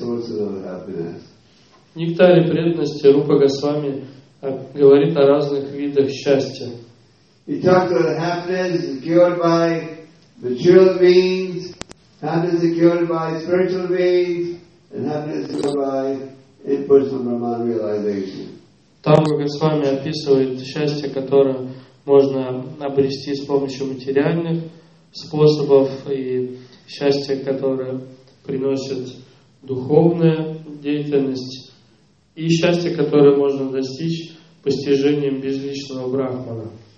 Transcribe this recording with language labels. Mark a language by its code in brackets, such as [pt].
[ru] В нектаре преданности Рупа Госвами говорит о разных видах счастья. [en] He talks about happiness secured by material means, happiness secured by spiritual means, and happiness secured by impersonal Brahman realization. [ru] Там Рупа Госвами описывает счастье, которое можно обрести с помощью материальных способов, и счастье, которое приносит духовная деятельность, и счастье, которое можно достичь постижением безличного брахмана.